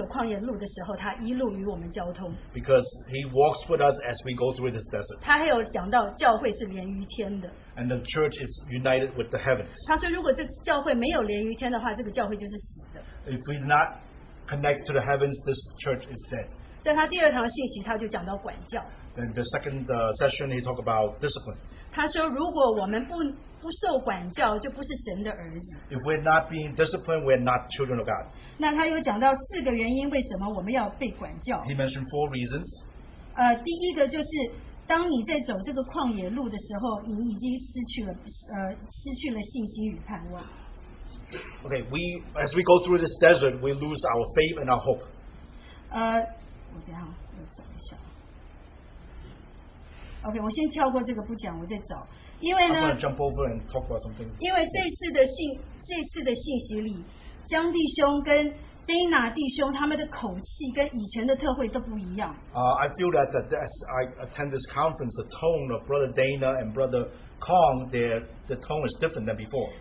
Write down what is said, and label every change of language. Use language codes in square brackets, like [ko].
[en] Because he walks with us as we go through this desert. And the church is united with the heavens. [zh] 他说如果这教会没有连于天的话, [en] if we do not connect to the heavens, this church is dead. [zh] 在他第二堂信息, [en] then the second session, he talked about discipline. [zh] 他说如果我们不受管教, [en] if we're not being disciplined, we're not children of God. [zh] 那他又讲到四个原因, [en] he mentioned four reasons. [zh] 第一个就是, 当你在走这个旷野路的时候, 你已经失去了信心与盼望。 [en] Okay, as we go through this desert, we lose our faith and our hope. [zh] 我等一下, okay, 我先跳过这个不讲, 我再找。因为呢, [en] I'm going to jump over and talk about something. [zh] 因为这次的信息里, 江弟兄跟Dana弟兄, 他们的口气跟以前的特会都不一样。 [en] I feel that as I attend this conference, the tone of Brother Dana and Brother Kong, the tone is different than before.